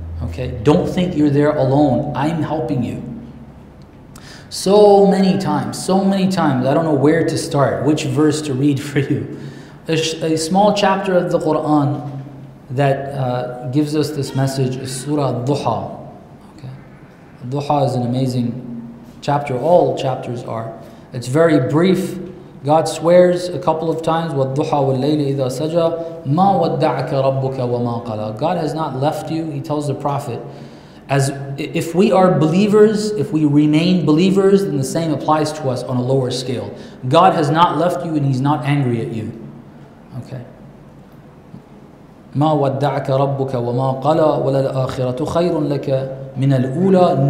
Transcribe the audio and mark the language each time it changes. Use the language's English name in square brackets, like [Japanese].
[English] Okay, don't think you're there alone, I'm helping you. So many times, I don't know where to start, which verse to read for you. A small chapter of the Quran that gives us this message is Surah Duha. Okay. Duha is an amazing chapter, all chapters are. It's very brief. God swears a couple of times, [Arabic] وَالضُحَى وَاللَّيْلِ إِذَا سَجَى مَا وَدَّعَكَ رَبُّكَ وَمَا قَلَى. [English] God has not left you, He tells the Prophet. As if we are believers, if we remain believers, then the same applies to us on a lower scale. God has not left you and He's not angry at you. [Arabic] Okay. مَا وَدَّعَكَ رَبُّكَ وَمَا قَلَى وَلَلْآخِرَةُ خَيْرٌ لَكَ مِنَ الْأُولَى.